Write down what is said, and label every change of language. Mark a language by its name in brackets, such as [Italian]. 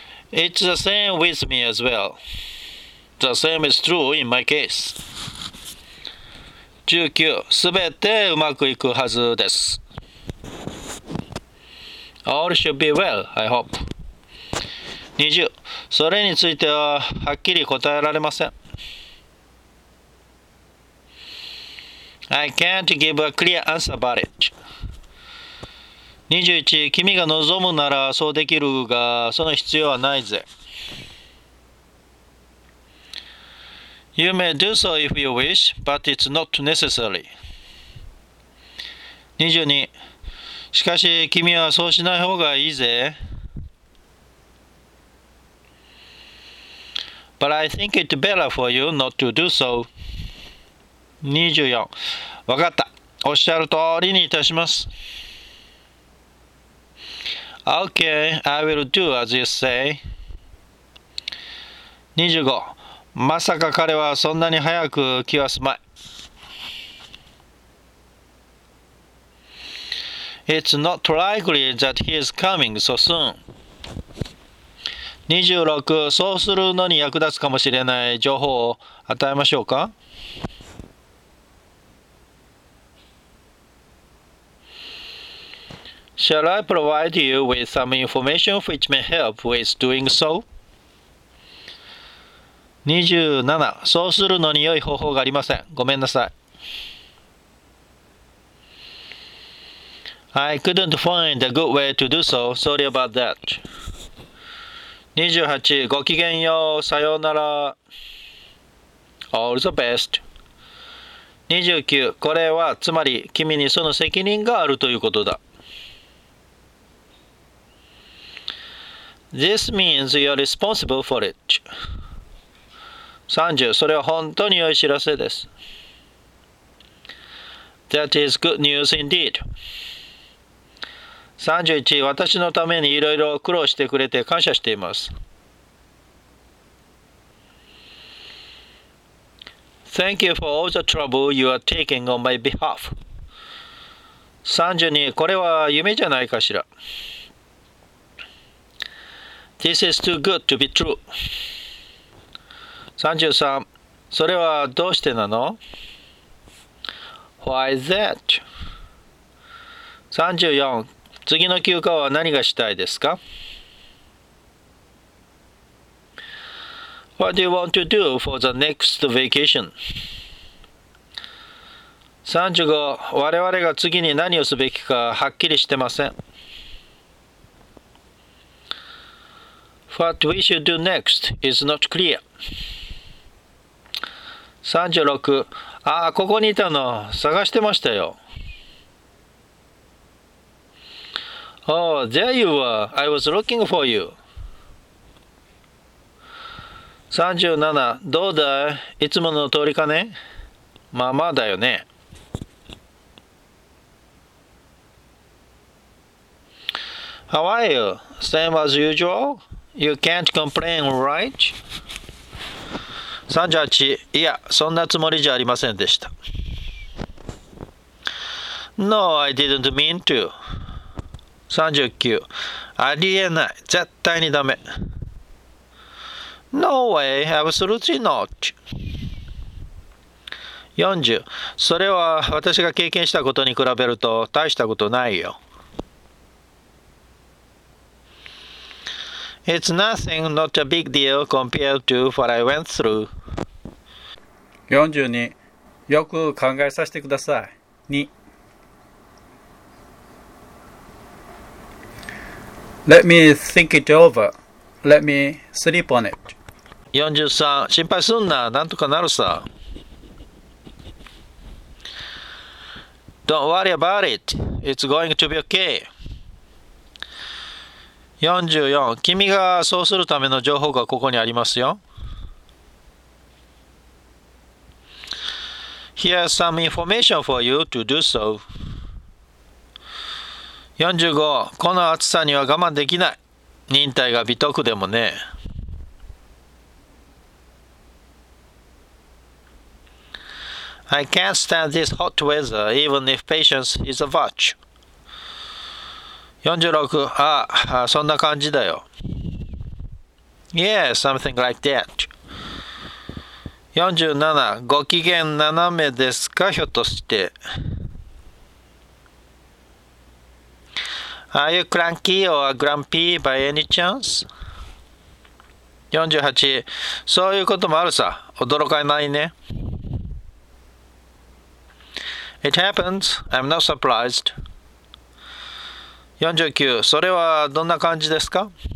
[English] It's the same with me as well. The same is true in my case. 19. [Japanese] すべてうまくいくはずです。 [English] All should be well, I hope. 20. [Japanese] それについてははっきり答えられません。 [English] I can't give a clear answer about it. 21. [Japanese] 君が望むならそうできるが、その必要はないぜ。 [English] You may do so if you wish, but it's not necessary. 22. [Japanese] しかし君はそうしない方がいいぜ。 [English] But I think it's better for you not to do so. [Japanese] 24. わかった。おっしゃる通りにいたします。 [English] Okay, I will do as you say. 25. [Japanese] まさか彼はそんなに早く気はすまい。 [English] It's not likely that he is coming so soon. 26. [Japanese] そうするのに役立つかもしれない情報を与えましょうか? [English] Shall I provide you with some information which may help with doing so? 27. [Japanese] そうするのに良い方法がありません。ごめんなさい。 [English] I couldn't find a good way to do so. Sorry about that. [Japanese] 28. ごきげんよう。さようなら。 [English] All the best. 29. [Japanese] これは、つまり、君にその責任があるということだ。 [English] This means you're responsible for it. 30. [Japanese] それは本当に良い知らせです。 [English] That is good news indeed. 31. [Japanese] 私のためにいろいろ苦労してくれて感謝しています。 [English] Thank you for all the trouble you are taking on my behalf. 32. [Japanese] これは夢じゃないかしら。 [English] This is too good to be true. [Japanese] 33. それはどうしてなの? [English] Why is that? 34. [Japanese] 次の休暇は何がしたいですか? [English] What do you want to do for the next vacation? 35. [Japanese] 我々が次に何をすべきかはっきりしてません。 [English] What we should do next is not clear. [Japanese] 36. ああ、ここにいたの。探してましたよ。 [English] Oh, there you were. I was looking for you. [Japanese] 37. どうだい?いつもの通りかね? まあまあだよね。 [English] How are you? Same as usual? You can't complain, right? 38. [Japanese] いや、そんなつもりじゃありませんでした。 [English] No, I didn't mean to. [Japanese] 39. ありえない。絶対にダメ。 [English] No way, absolutely not. 40. [Japanese] それは私が経験したことに比べると大したことないよ。 [English] It's nothing, not a big deal compared to what I went through. 42. [Japanese] よく考えさせてください。 [English] 2. Let me think it over. Let me sleep on it. [Japanese] 43. 心配すんな。なんとかなるさ。 [English] Don't worry about it. It's going to be okay. 44. [Japanese] 君がそうするための情報がここにありますよ。 [English] Here's some information for you to do so. 45. [Japanese] この暑さには我慢できない。忍耐が美徳でもね。 [English] I can't stand this hot weather even if patience is a virtue. [Japanese] 46. ああ、そんな感じだよ。 [English] Yeah, something like that. 47. [Japanese] ご機嫌斜めですか、ひょっとして。 [English] Are you cranky or grumpy by any chance? 48. [Japanese] そういうこともあるさ。驚かないね。 [English] It happens. I'm not surprised. 49. [Japanese] それはどんな感じですか?